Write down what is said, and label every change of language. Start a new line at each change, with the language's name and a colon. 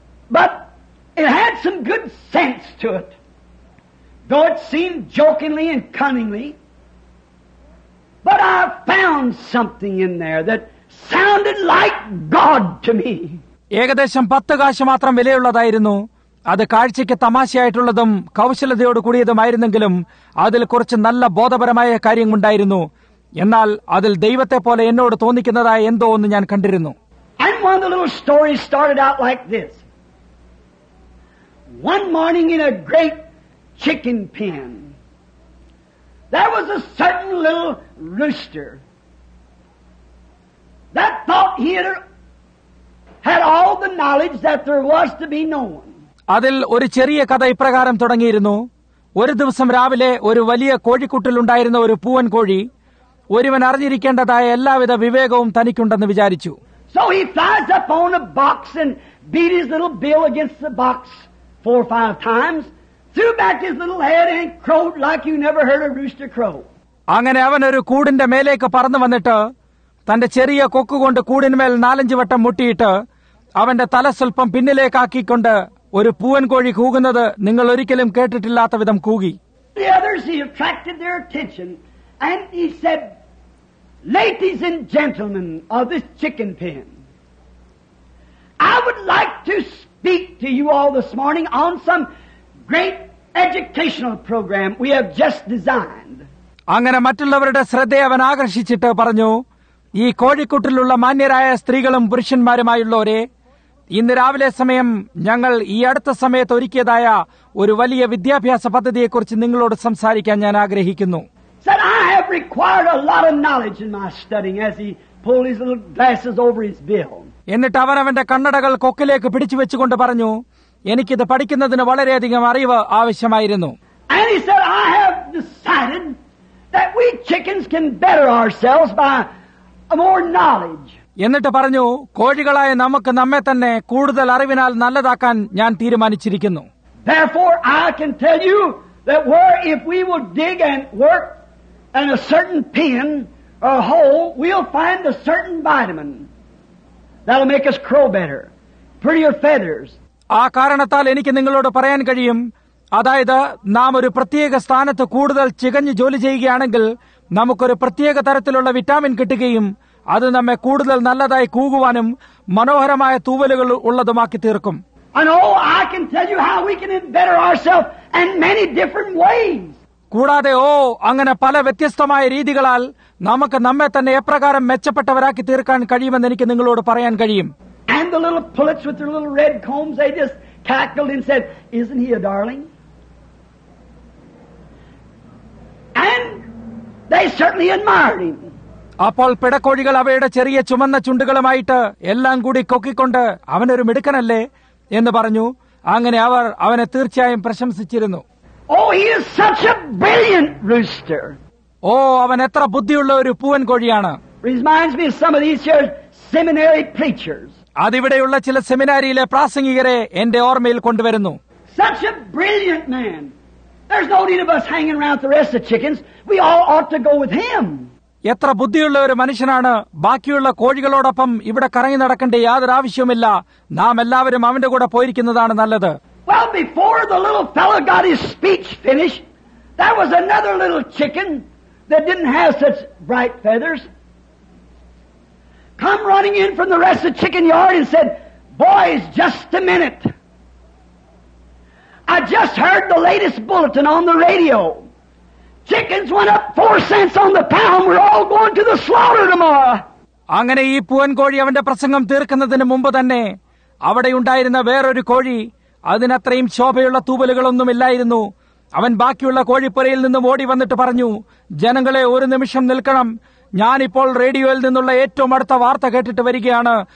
English: But it had some good sense to it, though it seemed jokingly and cunningly. But I found something in there that sounded like God to me.
Malayalam: ഏകദേശം 10 കാശ് മാത്രം വിലയുള്ളതായിരുന്നു. അത് കാഴ്ചയ്ക്ക് തമാശയായിട്ടുള്ളതും കൗശലതയോടു കൂടിയതുമായിരുന്നെങ്കിലും അതിൽ കുറച്ച് നല്ല ബോധപരമായ കാര്യമുണ്ടായിരുന്നു. എന്നാൽ അതിൽ ദൈവത്തെ പോലെ എന്നോട് തോന്നിക്കുന്നതായ എന്തോ ഒന്ന് ഞാൻ കണ്ടിരുന്നു.
English: And one of the little stories started out like this. One morning in a great chicken pen, there was a certain little rooster that thought he had all the knowledge that there was to be known.
Malayalam: അതിൽ ഒരു ചെറിയ കഥ ഇപ്രകാരം തുടങ്ങിയിരുന്നു. ഒരു ദിവസം രാവിലെ ഒരു വലിയ കോഴിക്കുട്ടിലുണ്ടായിരുന്ന ഒരു പൂവൻ കോഴി ഒരുവൻ അറിഞ്ഞിരിക്കേണ്ടതായ എല്ലാവിധ വിവേകവും തനിക്കുണ്ടെന്ന് വിചാരിച്ചു.
English: So he flies up on a box and beat his little bill against the box. 4 or 5 times, threw back his little head and crowed like you never heard a rooster crow.
Malayalam: അങ്ങനെ അവൻ ഒരു കൂടിന്റെ മേലേക്ക് പറന്നു വന്നിട്ട് തന്റെ ചെറിയ കൊക്ക് കൊണ്ട് കൂടിന്മേൽ 4-5 വട്ടം മുട്ടിയിട്ട് അവന്റെ തല സ്വല്പം പിന്നിലേക്കാക്കിക്കൊണ്ട് ഒരു പൂവൻ കോഴി കൂകുന്നത് നിങ്ങൾ ഒരിക്കലും കേട്ടിട്ടില്ലാത്ത വിധം കൂകി.
English: The others, he attracted their attention and he said, "Ladies and gentlemen of this chicken pen, I would like to speak to you all this morning on some great educational program we have just designed."
Malayalam: അങ്ങനെ മറ്റുള്ളവരുടെ ശ്രദ്ധ അവൻ ആകർഷിച്ചിട്ട് പറഞ്ഞു, ഈ കോഴിക്കുട്ടിലുള്ള മാന്യരായ സ്ത്രീകളും പുരുഷന്മാരുമായുള്ളവരെ, ഇന്ന് രാവിലെ സമയം ഞങ്ങൾ ഈ അടുത്ത സമയത്ത് ഒരുക്കിയതായ ഒരു വലിയ വിദ്യാഭ്യാസ പദ്ധതിയെക്കുറിച്ച് നിങ്ങളോട് സംസാരിക്കാൻ ഞാൻ ആഗ്രഹിക്കുന്നു.
English: Said, "I have required a lot of knowledge in my studying," as he pulled his little glasses over his bill.
Malayalam: എന്നിട്ട് അവൻ അവന്റെ കണ്ണടകൾ കൊക്കിലേക്ക് പിടിച്ചു വെച്ചുകൊണ്ട് പറഞ്ഞു, എനിക്കിത് പഠിക്കുന്നതിന് വളരെയധികം അറിവ് ആവശ്യമായിരുന്നു.
English: And he said, "I have decided that we chickens can better ourselves by more knowledge."
Malayalam: എന്നിട്ട് പറഞ്ഞു, കോഴികളായ നമുക്ക് നമ്മെ തന്നെ കൂടുതൽ അറിവിനാൽ നല്ലതാക്കാൻ ഞാൻ തീരുമാനിച്ചിരിക്കുന്നു.
English: Therefore, I can tell you that where if we would dig and work in a certain pen or hole, we'll find a certain vitamin. That'll make us crow better, prettier feathers.
Malayalam: ആ കാരണത്താൽ എനിക്ക് നിങ്ങളോട് പറയാൻ കഴിയും, അതായത് നാം ഒരു പ്രത്യേക സ്ഥാനത്ത് കൂടുതൽ ചികഞ്ഞു ജോലി ചെയ്യുകയാണെങ്കിൽ നമുക്കൊരു പ്രത്യേക തരത്തിലുള്ള വിറ്റാമിൻ കിട്ടുകയും അത് നമ്മെ കൂടുതൽ നല്ലതായി കൂകുവാനും മനോഹരമായ തൂവലുകൾ ഉള്ളതുമാക്കി തീർക്കും.
English: And oh, I can tell you how we can better ourselves in many different ways.
Malayalam: കൂടാതെ ഓ അങ്ങനെ പല വ്യത്യസ്തമായ രീതികളാൽ നമുക്ക് നമ്മെ തന്നെ എപ്രകാരം മെച്ചപ്പെട്ടവരാക്കി തീർക്കാൻ കഴിയുമെന്ന് എനിക്ക് നിങ്ങളോട് പറയാൻ കഴിയും.
English: And the little pullets with their little red combs, they just cackled and said, "Isn't he a darling?" And they certainly admired him.
Malayalam: അപ്പോൾ പിടക്കോഴികൾ അവയുടെ ചെറിയ ചുമന്ന ചുണ്ടുകളുമായിട്ട് എല്ലാം കൂടി കൊക്കിക്കൊണ്ട് അവനൊരു മിടുക്കനല്ലേ എന്ന് പറഞ്ഞു. അങ്ങനെ അവർ അവനെ തീർച്ചയായും പ്രശംസിച്ചിരുന്നു.
English: Oh, he is such a brilliant rooster.
Malayalam: ഓ അവൻ എത്ര ബുദ്ധിയുള്ള ഒരു പൂവൻ കോഴിയാണ്.
English: Reminds me of some of these here seminary preachers.
Malayalam: അതിവിടെയുള്ള ചില സെമിനാരിയിലെ പ്രാസംഗികരെ എന്റെ ഓർമ്മയിൽ കൊണ്ടുവരുന്നു.
English: Such a brilliant man. There's no need of us hanging around the rest of chickens. We all ought to go with him.
Malayalam: എത്ര ബുദ്ധിയുള്ള ഒരു മനുഷ്യനാണ്, ബാക്കിയുള്ള കോഴികളോടൊപ്പം ഇവിടെ കറങ്ങി നടക്കേണ്ട യാതൊരു ആവശ്യവുമില്ല. നാം എല്ലാവരും അവന്റെ കൂടെ പോയിരിക്കുന്നതാണ് നല്ലത്.
English: Well, before the little fellow got his speech finished, there was another little chicken that didn't have such bright feathers. Come running in from the rest of the chicken yard and said, "Boys, just a minute. I just heard the latest bulletin on the radio. Chickens went up 4 cents on the pound. We're all going to the slaughter tomorrow."
Malayalam: അങ്ങനെ ഈ പൂവൻ കോഴി അവന്റെ പ്രസംഗം തീർക്കുന്നതിന് മുമ്പ് തന്നെ അവിടെ ഉണ്ടായിരുന്ന വേറൊരു കോഴി അതിനത്രയും ശോഭയുള്ള തൂവലുകളൊന്നും ഇല്ലായിരുന്നു. അവൻ ബാക്കിയുള്ള കോഴിപ്പുരയിൽ നിന്നും ഓടി വന്നിട്ട് പറഞ്ഞു, ജനങ്ങളെ, ഒരു നിമിഷം നിൽക്കണം, ഞാനിപ്പോൾ റേഡിയോയിൽ നിന്നുള്ള ഏറ്റവും അടുത്ത വാർത്ത കേട്ടിട്ട് വരികയാണ്.